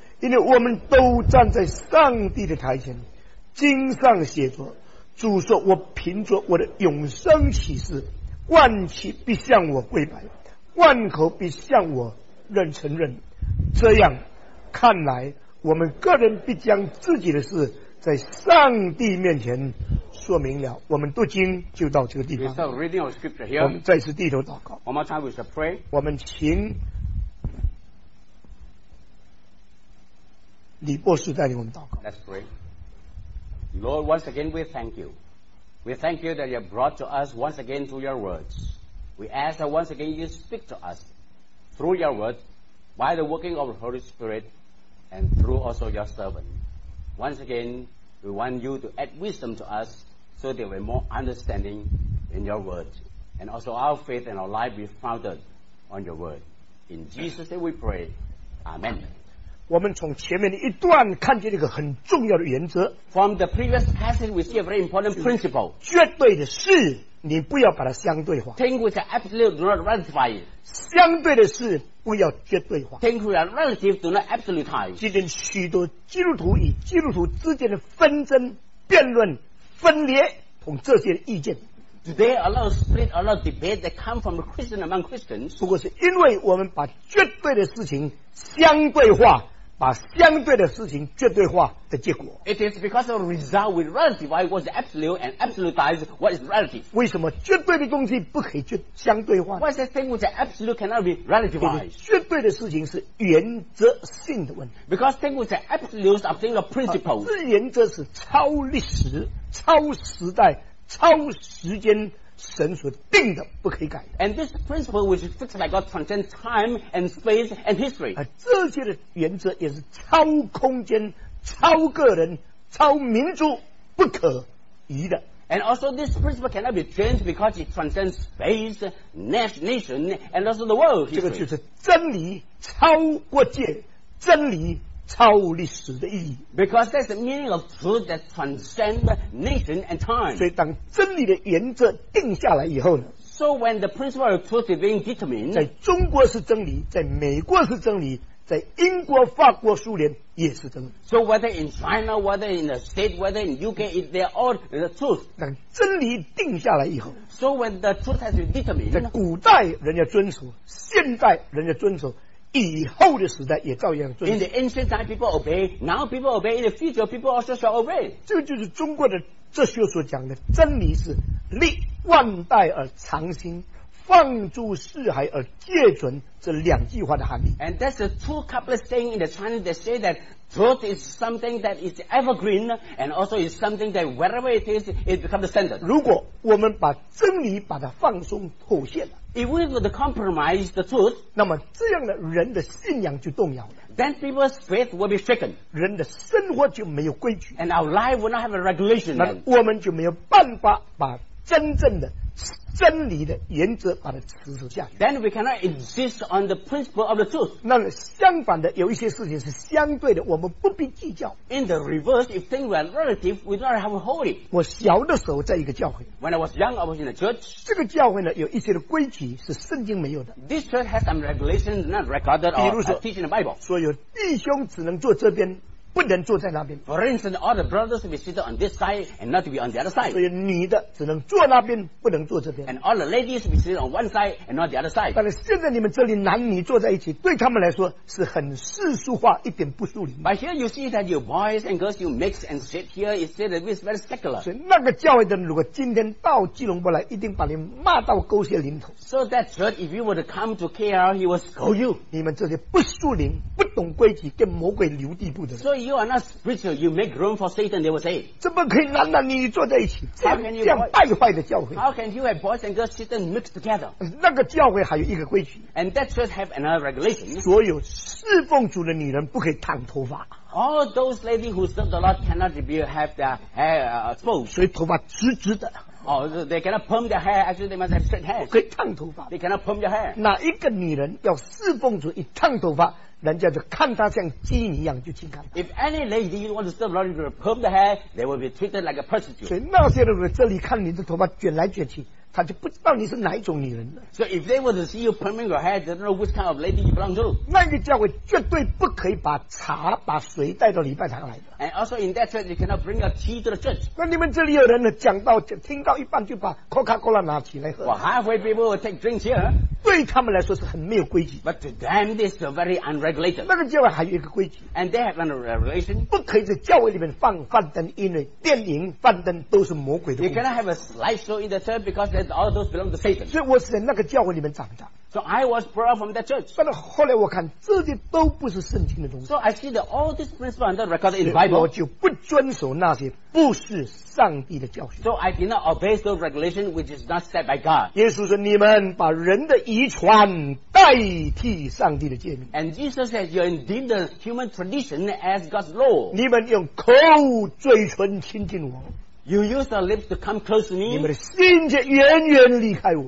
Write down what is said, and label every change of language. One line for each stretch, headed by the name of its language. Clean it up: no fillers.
Chinese: 因为我们都站在上帝的台前，经上写着，主说，我凭着我的永生启示，万气必向我跪拜，万口必向我认承认。这样看来，我们个人必将自己的事在上帝面前说明了。我们读经就到这个地方。
English: We start reading our scripture here.
Chinese: 我们再次低头祷告。
English: One more time we shall pray.
Chinese: 我们请李博士带领我们祷告。
English: Let's pray. Lord, once again we thank you. We thank you that you have brought to us once again through your words. We ask that once again you speak to us through your words, by the working of the Holy Spirit, and through also your servant. Once again, we want you to add wisdom to us so there will be more understanding in your words, and also our faith and our life be founded on your word. In Jesus' name we pray. Amen.
Chinese: 我们从前面的一段看见一个很重要的原则。
English: From the previous passage, we see a very important principle.
Chinese: 绝对的事，你不要把它相对化。
English: Things which are absolute do not relativize.
Chinese: 相对的事不要绝对化。
English: Things which are relative do not absolutize.
Chinese: 今天许多基督徒与基督徒之间的纷争、辩论、分裂，同这些意见。
English: Today, a lot of split, a lot of debate that come from Christians among Christians.
Chinese: 不过是因为我们把绝对的事情相对化，把相对的事情绝对化的结果。
English: It is because of the result we relativize what is absolute and absolutize what is relative.
Chinese: 为什么绝对的东西不可以绝相对化？
English: Why is that thing which is absolute cannot be relativized?
Chinese: 对，绝对的事情是原则性的问题。
English: Because things which are absolute are things of principle.
Chinese: 这原则是超历史、超时代、超时间神所定的，不可以改的。
English: And this principle which is fixed by God transcends time and space and history.
Chinese: 这些的原则也是超空间、超个人、超民族不可移的。
English: And also this principle cannot be changed because it transcends space, nation, and also the world history.
Chinese: 这个就是真理超国界，真理超历史的意义。
English: Because that's the meaning of truth that transcends nation and time.
Chinese: 所以当真理的原则定下来以后呢，
English: So when the principle of truth is being determined,
Chinese: 在中国是真理，在美国是真理，在英国、法国、苏联也是真理。
English: So whether in China, whether in the state, whether in UK, they're all the truth.
Chinese: 当真理定下来以后，
English: So when the truth has been determined,
Chinese: 在古代人家遵守，现代人家遵守，以后的时代也照样遵守。
English: In the ancient time, people obey. Now, people obey. In the future, people also shall obey.
Chinese: 这就是中国的哲学所讲的真理是历万代而常新，放诸四海而皆准，这两句话的含义。
English: And that's the two couplet saying in the Chinese. They say that truth is something that is evergreen, and also is something that wherever it is, it becomes the standard.
Chinese: 如果我们把真理把它放松妥协了。
English: If we were to compromise the truth,
Chinese: 那么这样的人的信仰就动摇了。
English: Then people's faith will be shaken.
Chinese: 人的生活就没有规矩。
English: And our life will not have a regulation.
Chinese: 那我们就没有办法把真正的真理的原则把它实施下去。
English: Then we cannot insist on the principle of the truth.
Chinese: 那相反的，有一些事情是相对的，我们不必计较。
English: In the reverse, if things were relative, we do not have a holding.
Chinese: 我小的时候在一个教会。
English: When I was young, I was in a church.
Chinese: 这个教会呢，有一些的规矩是圣经没有的。
English: This church has some regulations not recorded or teaching the Bible.
Chinese: 所有弟兄只能坐这边。不能坐在那边。
English: For instance, all the brothers will be seated on this side and not to be on the other side.
Chinese: 所以女的只能坐那边，不能坐这边。
English: And all the ladies will be seated on one side and not the other side.
Chinese: 但是现在你们这里男女坐在一起，对他们来说是很世俗化，一点不属灵。
English: But here you see that your boys and girls you mix and sit here instead of this very secular.
Chinese: 所以那个教会的人如果今天到基隆坡来，一定把你骂到狗血淋头。
English: So that church, if you were to come to KL, he will scold you.
Chinese: 你们这些不属灵、不懂规矩、跟魔鬼留地步的人。
English: So you are not spiritual, you make room for Satan, they will say.
Chinese: 怎么可以男男女女坐在一起？这样败坏的教会。
English: How can you have boys and girls sit and mix together?
Chinese: 那个教会还有一个规矩。
English: And that church have another regulation.
Chinese: 所有侍奉主的女人不可以烫头发。
English: All those ladies who serve the Lord cannot have their hair exposed.
Chinese: 所以头发直直的。
English: Oh, they cannot perm their hair, actually they must have straight hair.
Chinese: 可以烫头发。
English: They cannot perm their hair.
Chinese: 哪一个女人要侍奉主一烫头发，人家就看他像鸡一样就轻看。
English: If any lady want to serve Lord, you perm the hair, they will be treated like a prostitute.
Chinese: 所以那些人这里看你的头发卷来卷去，他就不知道你是哪一种女人了。
English: So if they were to see you perming your hair, they don't know which kind of lady you belong to.
Chinese: 那个教会绝对不可以把茶、把水带到礼拜堂来的。
English: And also in that church, you cannot bring your tea to the church.
Chinese: 那你们这里有人呢，讲到听到一半就把 Coca-Cola 拿起来喝。
English: Well, halfway people will take drinks here.
Chinese: 对他们来说是很没有规矩。
English: But to them, this is very unregulated.
Chinese: 那个教会还有一个规矩。
English: And they have another regulation.
Chinese: 不可以在教会里面放幻灯，因为电影幻灯都是魔鬼的。
English: You cannot have a slideshow in the church because there's all those belong to Satan.
Chinese: 所以我是在那个教会里面长大。
English: So I was brought up from that church.
Chinese: 但是后来我看这些都不是圣经的东西。
English: So I see that all these principles are not recorded in the Bible.
Chinese: 我就不遵守那些不是上帝的教训。
English: So I did not obey those regulations which is not set by God.
Chinese: 耶稣说你们把人的遗传代替上帝的诫命。
English: And Jesus says you indeed the human tradition as God's law.
Chinese: 你们用口嘴唇亲近我。
English: You use your lips to come close to me.
Chinese: 你们的心却远远离开我。